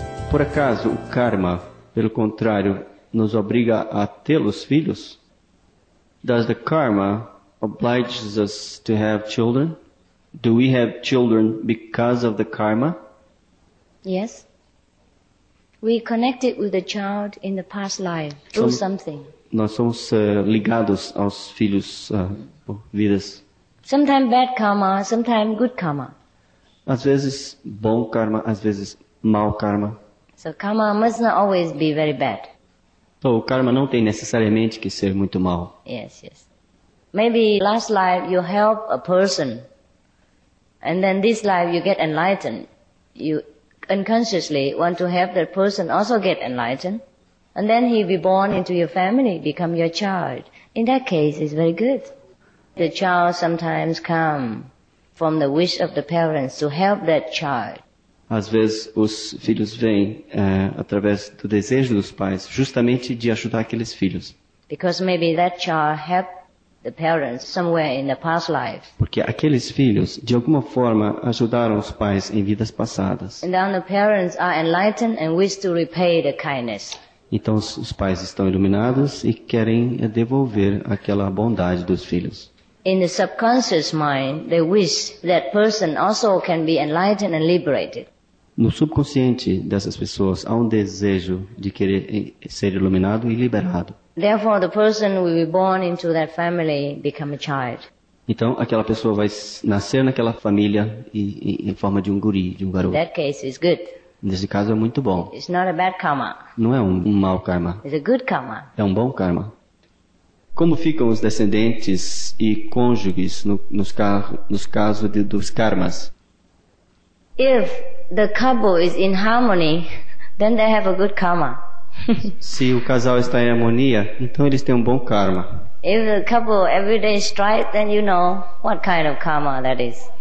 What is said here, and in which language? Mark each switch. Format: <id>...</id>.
<pt>Por acaso, o karma, pelo contrário, nos obriga a tê-los filhos?</pt> <en>Does the karma oblige us to have children? Do we have children because of the karma? Yes. We connected with the child in the past life through something.</en> <pt>Nós somos ligados aos filhos, vidas.</pt> <en>Sometimes bad karma, sometimes good karma.</en> <pt>Às vezes bom karma, às vezes mau karma.</pt> <en>So karma must not always be very bad.</en> <pt>Então o karma não tem necessariamente que ser muito mau.</pt> <en>Yes, yes. Maybe last life you help a person, and then this life you get enlightened. You... unconsciously want to have that person also get enlightened, and then he be born into your family, become your child. In that case, it's very good. The child sometimes come from the wish of the parents to help that child.</en> <pt>Às vezes os filhos vêm através do desejo dos pais, justamente de ajudar aqueles filhos.</pt> <en>Because maybe that child helped the parents somewhere in the past lives.</en> <pt>Porque aqueles filhos de alguma forma ajudaram os pais em vidas passadas.</pt> <en>And then the parents are enlightened and wish to repay the kindness.</en> <pt>Então os pais estão iluminados e querem devolver aquela bondade dos filhos.</pt> <en>In the subconscious mind, they wish that person also can be enlightened and liberated.</en> <pt>No subconsciente dessas pessoas há um desejo de querer ser iluminado e liberado.</pt> <en>Therefore, the person will be born into that family, become a child.</en> <pt>Então, aquela pessoa vai nascer naquela família e em forma de um guri, de um garoto.</pt> <en>That case is good.</en> <pt>Nesse caso é muito bom.</pt> <en>It's not a bad karma.</en> <pt>Não é um mau karma.</pt> <en>It's a good karma.</en> <pt>É um bom karma. Como ficam os descendentes e cônjuges nos casos dos karmas?</pt> <en>If the couple is in harmony, then they have a good karma.</en> <pt>Se o casal está em harmonia, então eles têm um bom karma.</pt> <en>If the couple every day strive, then you know what kind of karma that is.</en>